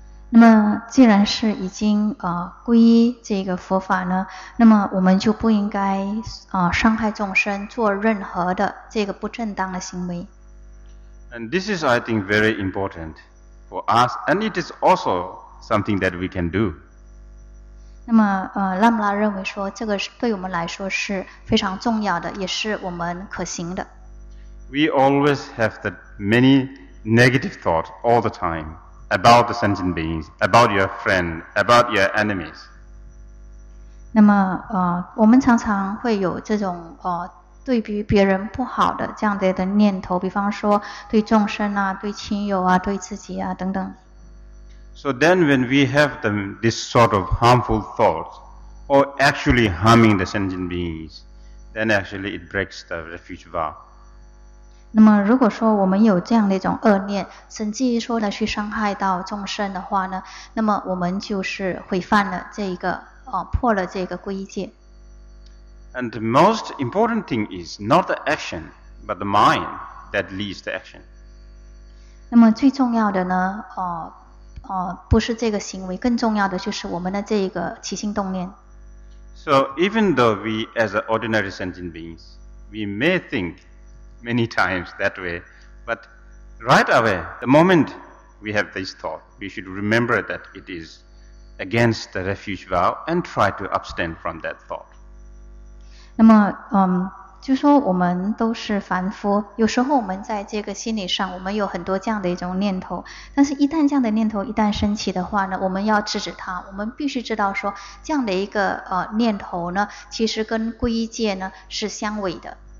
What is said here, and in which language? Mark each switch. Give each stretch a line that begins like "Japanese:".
Chinese: 那么既然是已经皈依这个佛法呢，那么我们就不应该伤害众生，做任何的这个不正当的行为。
English: And this is, I think, very important for us, and it is also something that we can do.
Chinese: 那么拉姆拉认为说，这个对我们来说是非常重要的，也是我们可行的。
English: We always have the many negative thoughts all the time. About the sentient beings, about your friend, about your enemies.
Chinese: 那么我们常常会有这种对于别人不好的这样的念头，比方说对众生啊，对亲友啊，对自己啊等等。
English: So then when we have this sort of harmful thoughts, or actually harming the sentient beings, then actually it breaks the refuge vow.
Chinese: 那么如果说我们有这样的一种恶念，甚至于说的去伤害到众生的话呢，那么我们就是毁犯了这一个破了这个皈依戒。
English: And the most important thing is not the action, but the mind that leads the action.
Chinese: 那么最重要的呢不是这个行为，更重要的就是我们的这一个起心动念。
English: So even though we as ordinary sentient beings, we may thinkmany times that way, but right away, the moment we have this thought, we should remember that it is against the refuge vow and try to abstain from that thought.
Chinese: 那么就说我们都是凡夫，有时候我们在这个心理上我们有很多这样的一种念头，但是一旦这样的念头一旦升起的话呢，我们要制止它，我们必须知道说这样的一个念头呢，其实跟皈依戒呢是相违的。